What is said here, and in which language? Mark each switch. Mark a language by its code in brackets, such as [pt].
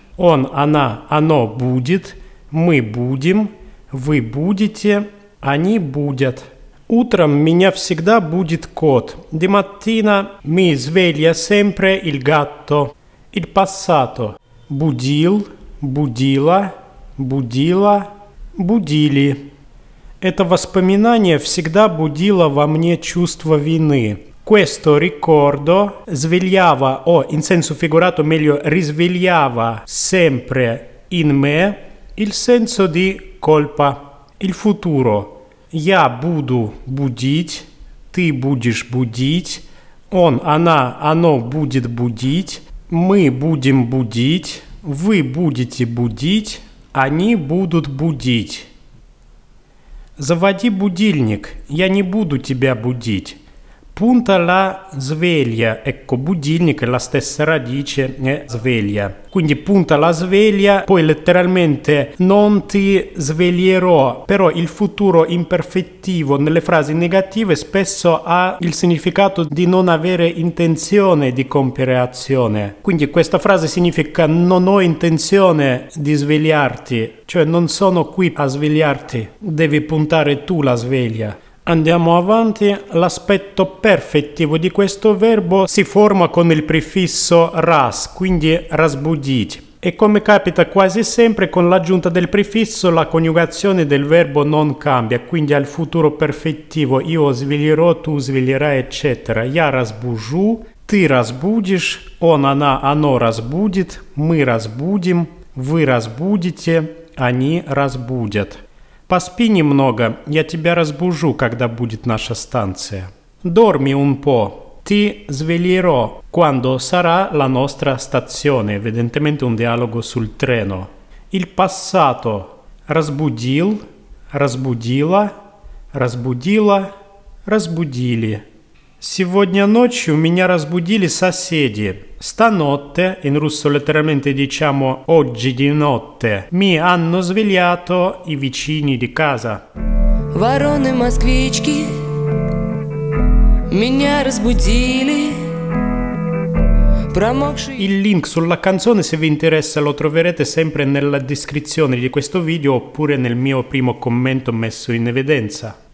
[ru] On, она, оно будет. Мы будем. Вы будете. Они будят. Утром меня всегда будет кот. [it] Di mattina mi sveglia sempre il gatto. Il passato. [ru] Будил, будила, будила, будили. Это воспоминание всегда будило во мне чувство вины. [it] Questo ricordo svegliava, o in senso figurato meglio, risvegliava sempre in me il senso di colpa. Il futuro. [ru] Я буду будить, ты будешь будить, он, она, оно будет будить, мы будем будить, вы будете будить, они будут будить. Заводи будильник, я не буду тебя будить. [it] Punta la sveglia, ecco, будильник è la stessa radice, sveglia. Quindi punta la sveglia, poi letteralmente non ti sveglierò. Però il futuro imperfettivo nelle frasi negative spesso ha il significato di non avere intenzione di compiere azione. Quindi questa frase significa non ho intenzione di svegliarti, cioè non sono qui a svegliarti, devi puntare tu la sveglia. Andiamo avanti, l'aspetto perfettivo di questo verbo si forma con il prefisso «ras», quindi «разбудить». E come capita quasi sempre, con l'aggiunta del prefisso la coniugazione del verbo non cambia, quindi al futuro perfettivo «io sveglierò», «tu sveglierai», eccetera. [ru] «Я разбужу», «ты разбудишь», «он», «она», «оно разбудит», «мы разбудим», «вы разбудите», «они разбудят». Поспи немного, я тебя разбужу, когда будет наша станция. [it] Dormi un po', ti sveglierò, quando sarà la nostra stazione. Evidentemente un dialogo sul treno. Il passato. [ru] Разбудил, разбудила, разбудила, разбудили. Сегодня ночью меня разбудили соседи. [it] Stanotte, in russo letteralmente diciamo oggi di notte, mi hanno svegliato i vicini di casa. [ru] Вороны москвички меня разбудили. [it] Il link sulla canzone, se vi interessa, lo troverete sempre nella descrizione di questo video oppure nel mio primo commento messo in evidenza.